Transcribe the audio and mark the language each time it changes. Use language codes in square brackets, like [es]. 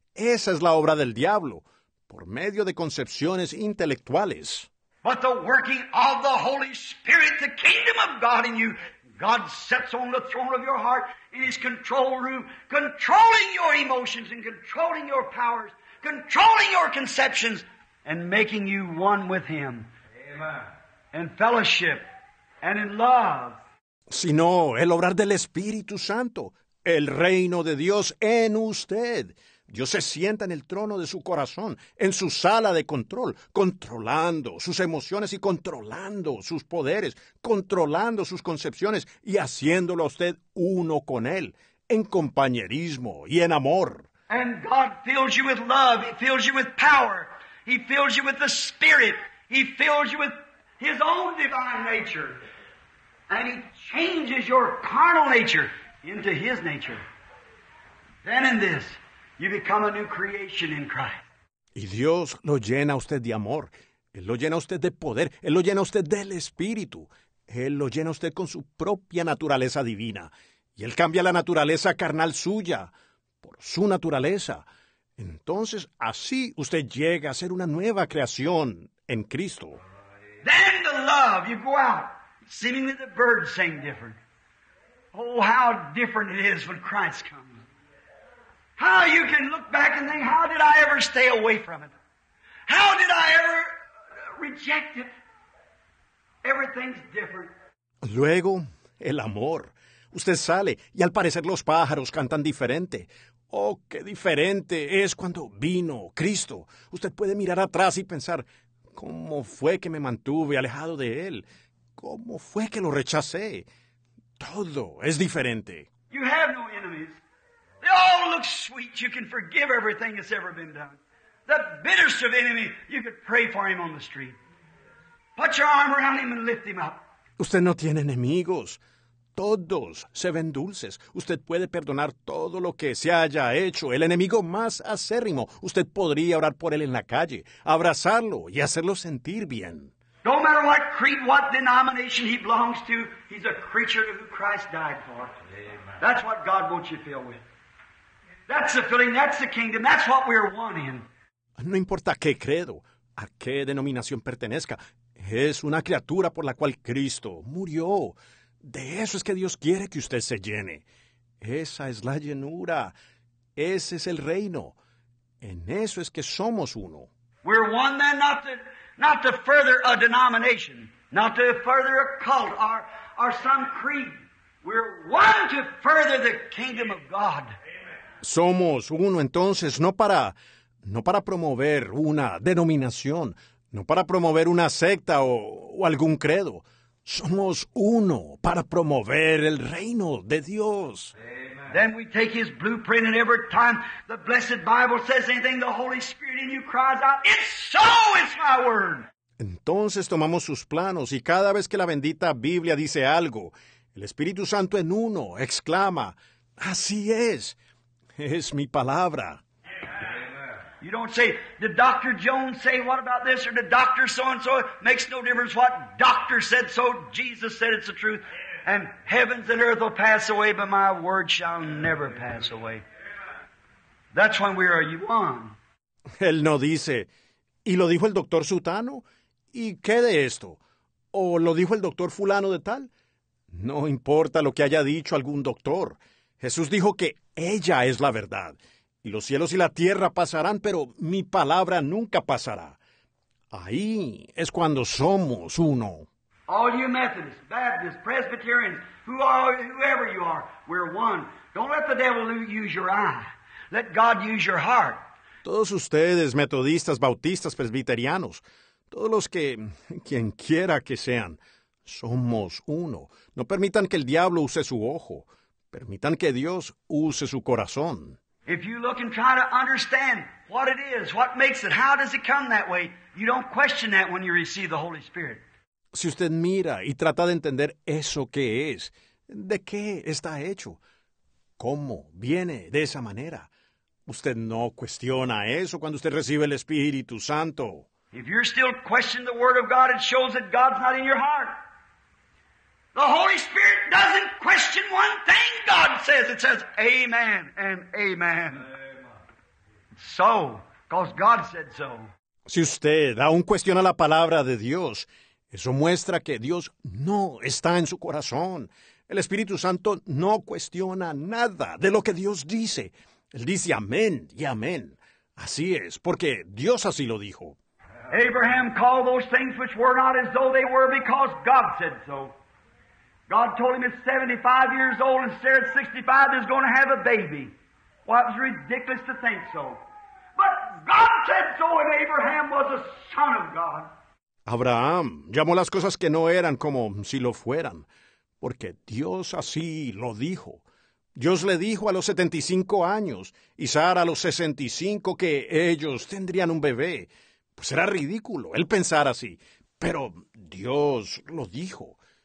[es] Esa es la obra del diablo, por medio de concepciones intelectuales. [en] But the working of the Holy Spirit, the kingdom of God in you, God sits on the throne of your heart in his control room, controlling your emotions and controlling your powers, controlling your conceptions, and making you one with him. Amen. And fellowship and in love. [es] Sino el obrar del Espíritu Santo, el reino de Dios en usted. Dios se sienta en el trono de su corazón, en su sala de control, controlando sus emociones y controlando sus poderes, controlando sus concepciones y haciéndolo a usted uno con él, en compañerismo y en amor. [en] And God fills you with love, he fills you with power, he fills you with the Spirit, he fills you with his own divine nature, and he changes your carnal nature into his nature. Then in this, you become a new creation in Christ. [es] Y Dios lo llena a usted de amor. Él lo llena a usted de poder. Él lo llena a usted del Espíritu. Él lo llena a usted con su propia naturaleza divina. Y Él cambia la naturaleza carnal suya por su naturaleza. Entonces, así usted llega a ser una nueva creación en Cristo. [en] Then the love, you go out, seemingly the birds sing different. Oh, how different it is when Christ comes. How you can look back and think, how did I ever stay away from it? How did I ever reject it? Everything's different. [es] Luego, el amor. Usted sale y al parecer los pájaros cantan diferente. Oh, qué diferente es cuando vino Cristo. Usted puede mirar atrás y pensar, ¿cómo fue que me mantuve alejado de Él? ¿Cómo fue que lo rechacé? Todo es diferente. [en] You have no enemies. They all look sweet. You can forgive everything that's ever been done. The bitterest of enemy, you could pray for him on the street. Put your arm around him and lift him up. [es] Usted no tiene enemigos. Todos se ven dulces. Usted puede perdonar todo lo que se haya hecho. El enemigo más acérrimo, usted podría orar por él en la calle, abrazarlo y hacerlo sentir bien. [en] No matter what creed, what denomination he belongs to, he's a creature to who Christ died for. Amen. That's what God wants you to feel with. That's the feeling, that's the kingdom, that's what we're one in. [es] No importa qué credo, a qué denominación pertenezca, es una criatura por la cual Cristo murió. De eso es que Dios quiere que usted se llene. Esa es la llenura. Ese es el reino. En eso es que somos uno. [en] We're one then not to further a denomination, not to further a cult or some creed. We're one to further the kingdom of God. [es] Somos uno, entonces, no para promover una denominación, no para promover una secta o algún credo. Somos uno para promover el reino de Dios. Amen. [en] Then we take his blueprint, and every time the blessed Bible says anything, the Holy Spirit in you cries out, "It's so, it's my word." [es] Entonces tomamos sus planos, y cada vez que la bendita Biblia dice algo, el Espíritu Santo en uno exclama, "Así es." Es mi palabra. [en] You don't say, did Dr. Jones say what about this? Or did Dr. So-and-so? Makes no difference what doctor said so. Jesus said it's the truth. And heavens and earth will pass away, but my word shall never pass away. That's when we are one. [es] Él no dice, ¿y lo dijo el doctor Sutano? ¿Y qué de esto? ¿O lo dijo el doctor fulano de tal? No importa lo que haya dicho algún doctor. Jesús dijo que ella es la verdad, y los cielos y la tierra pasarán, pero mi palabra nunca pasará. Ahí es cuando somos uno. [en] All you Methodists, Baptists, Presbyterians, whoever you are, we're one. Don't let the devil use your eye. Let God use your heart. [es] Todos ustedes, metodistas, bautistas, presbiterianos, todos los que, quienquiera que sean, somos uno. No permitan que el diablo use su ojo. Permitan que Dios use su corazón. [en] If you look and try to understand what it is, what makes it, how does it come that way, you don't question that when you receive the Holy Spirit. [es] Si usted mira y trata de entender eso que es, de qué está hecho, cómo viene de esa manera, usted no cuestiona eso cuando usted recibe el Espíritu Santo. [en] If you're still questioning the Word of God, it shows that God's not in your heart. The Holy Spirit doesn't question one thing God says. It says, Amen and Amen. Amen. So, because God said so. [es] Si usted aún cuestiona la palabra de Dios, eso muestra que Dios no está en su corazón. El Espíritu Santo no cuestiona nada de lo que Dios dice. Él dice amén y amén. Así es, porque Dios así lo dijo. [en] Abraham called those things which were not as though they were because God said so. God told him he's 75 years old and Sarah at 65 is going to have a baby. Well, it was ridiculous to think so. But God said so, and Abraham was a son of God. [es] Abraham llamó las cosas que no eran como si lo fueran, porque Dios así lo dijo. Dios le dijo a los 75 años y Sara a los 65 que ellos tendrían un bebé. Pues era ridículo él pensar así, pero Dios lo dijo.